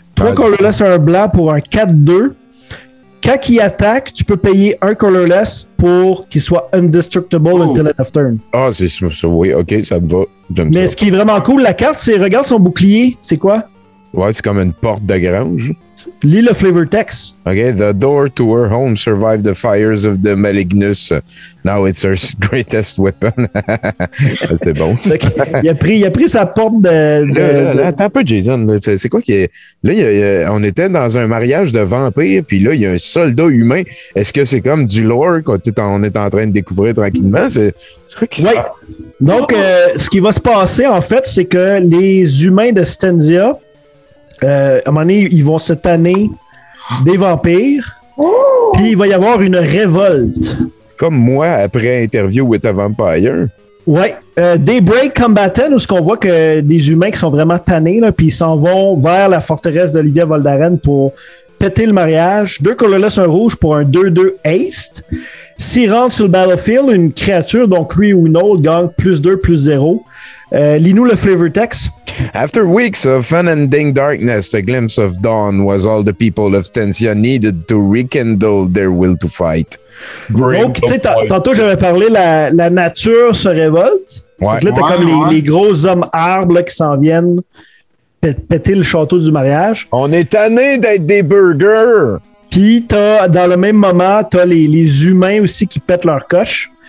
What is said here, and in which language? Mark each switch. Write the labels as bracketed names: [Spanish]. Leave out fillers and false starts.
[French] 3 colorless et un blanc pour un 4-2. Quand il attaque, tu peux payer un colorless pour qu'il soit indestructible [English] until end of turn. [French] Ah, c'est ça. Oui, OK, ça me va. J'aime Mais ça. Ce qui est vraiment cool, la carte, c'est regarde son bouclier. C'est quoi? Ouais, c'est comme une porte de grange. Lis le flavor text. [English] OK, the door to her home survived the fires of the malignus. Now it's her greatest weapon. [French] C'est bon. Il a pris sa porte de... Attends un peu, Jason. C'est quoi qui est... Là, on était dans un mariage de vampires, puis là, il y a un soldat humain. Est-ce que c'est comme du lore qu'on est en train de découvrir tranquillement? C'est quoi qui se passe? Donc, ce qui va se passer, en fait, c'est que les humains de Stenzia... à un moment donné, ils vont se tanner des vampires. Oh! Puis il va y avoir une révolte. Comme moi, après Interview with a Vampire. Oui. Daybreak Combatant, où ce qu'on voit que des humains qui sont vraiment tannés, là, puis ils s'en vont vers la forteresse d'Olivia Voldaren pour péter le mariage. 2 colorless, un rouge pour un 2-2 haste. S'ils rentrent sur le battlefield, une créature, donc lui ou une autre, gagne plus 2, plus 0. Lis-nous le flavor text. [English] After weeks of unending darkness, a glimpse of dawn was all the people of Stencia needed to rekindle their will to fight. [French] Donc, tu sais, tantôt j'avais parlé, la nature se révolte. Ouais. Donc là, t'as comme les gros hommes arbres là, qui s'en viennent péter le château du mariage. On est tanné d'être des burgers. Puis, t'as, dans le même moment, t'as les humains aussi qui pètent leur coche.